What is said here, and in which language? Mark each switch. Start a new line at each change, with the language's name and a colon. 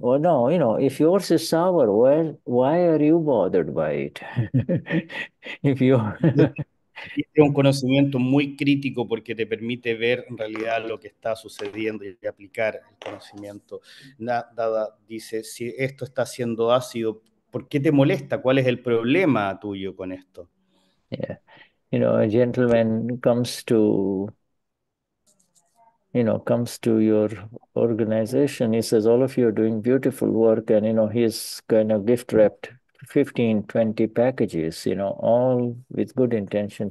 English: Well, no, if yours is sour, well, why are you bothered by it? If you
Spanish: Es un conocimiento muy crítico porque te permite ver en realidad lo que está sucediendo y aplicar el conocimiento. Dada dice, si esto está siendo ácido, ¿por qué te molesta? ¿Cuál es el problema tuyo con esto?
English: A gentleman comes to your organization. He says, all of you are doing beautiful work, and he's kind of gift wrapped 15, 20 packages, all with good intention.